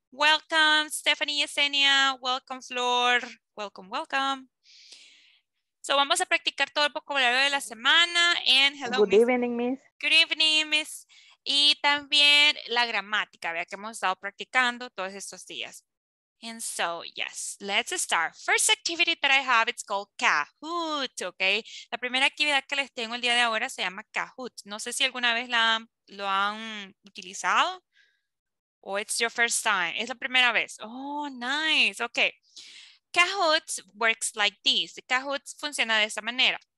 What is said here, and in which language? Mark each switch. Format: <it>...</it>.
<en>Welcome, Stephanie Yesenia. Welcome, Flor. Welcome, welcome.</en> <es>So vamos a practicar todo el vocabulario de la semana,</es> <en>and hello, Good Miss. evening, Miss. Good evening, Miss.</en> <es>Y también la gramática, vea que hemos estado practicando todos estos días.</es> <en>And so, yes, let's start. First activity that I have, it's called Kahoot, okay?</en> <es>La primera actividad que les tengo el día de ahora se llama Kahoot. No sé si alguna vez lo han utilizado.</es> <en>Oh, it's your first time.</en> <es>Es la primera vez.</es> <en>Oh, nice, okay. Kahoot works like this.</en> <es>Kahoot funciona de esta manera.</es>